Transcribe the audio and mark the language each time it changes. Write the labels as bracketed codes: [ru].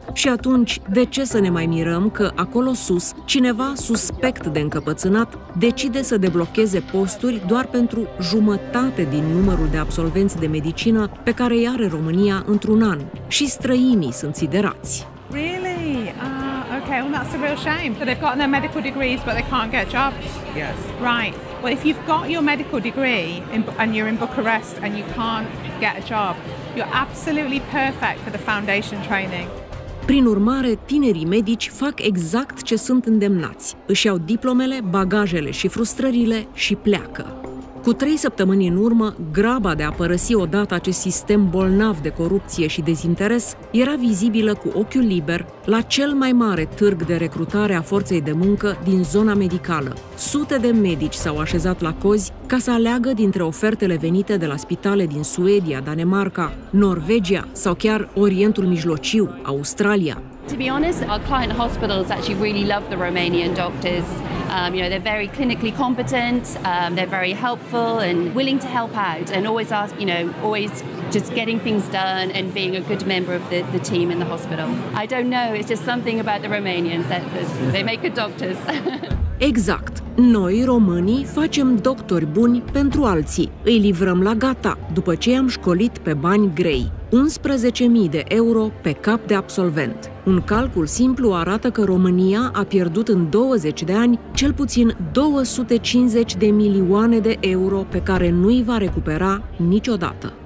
[ro] Și atunci, de ce să ne mai mirăm că acolo sus, cineva suspect de încăpățânat decide să deblocheze posturi doar pentru jumătate din numărul de absolvenți de medicină pe care îi are România într-un an? Și străinii sunt siderați. [en] Really? Okay, well, that's a real shame. So they've got their medical degrees, but they can't get jobs? Yes. Right. Well, if you've got your medical degree and you're in Bucharest and you can't get a job, you're absolutely perfect for the foundation training. [ro] Prin urmare, tinerii medici fac exact ce sunt îndemnați. Își iau diplomele, bagajele și frustrările și pleacă. Cu 3 săptămâni în urmă, graba de a părăsi odată acest sistem bolnav de corupție și dezinteres era vizibilă cu ochiul liber la cel mai mare târg de recrutare a forței de muncă din zona medicală. Sute de medici s-au așezat la cozi ca să aleagă dintre ofertele venite de la spitale din Suedia, Danemarca, Norvegia sau chiar Orientul Mijlociu, Australia. [en] To be honest, our client hospitals actually really love the Romanian doctors. You know, they're very clinically competent, they're very helpful and willing to help out and always ask, you know, always just getting things done and being a good member of the team in the hospital. I don't know, it's just something about the Romanians that they make good doctors. [ro] Exact. Noi, românii, facem doctori buni pentru alții. Îi livrăm la gata, după ce i-am școlit pe bani grei. 11.000 de euro pe cap de absolvent. Un calcul simplu arată că România a pierdut în 20 de ani cel puțin 250 de milioane de euro pe care nu-i va recupera niciodată.